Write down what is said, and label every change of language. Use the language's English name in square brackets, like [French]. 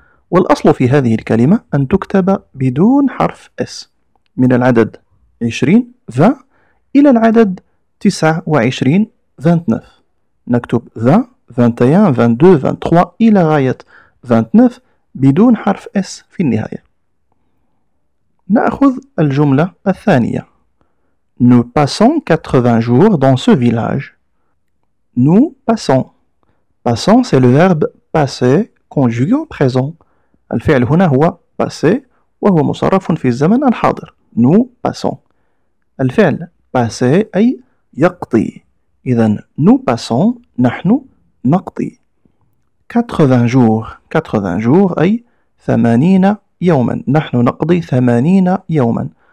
[Arabic] والأصل في هذه الكلمة أن تكتب بدون حرف S، من العدد 20 20 إلى العدد 29 29. نكتب 20 21 22 23 إلى غاية 29 بدون حرف S في النهاية. نأخذ الجملة الثانية: [French] Nous passons 80 jours dans ce village. Nous passons. Passons c'est le verbe passer conjugué au présent. [Arabic] الفعل هنا هو passer وهو مصرف في الزمن الحاضر. [French] Nous passons. [Arabic] الفعل passer أي يقضي. إذن [French] nous passons [Arabic] نحن نقضي. [French] 80 jours. 80 jours [Arabic] أي 80 يوما، نحن نقضي 80 يوما.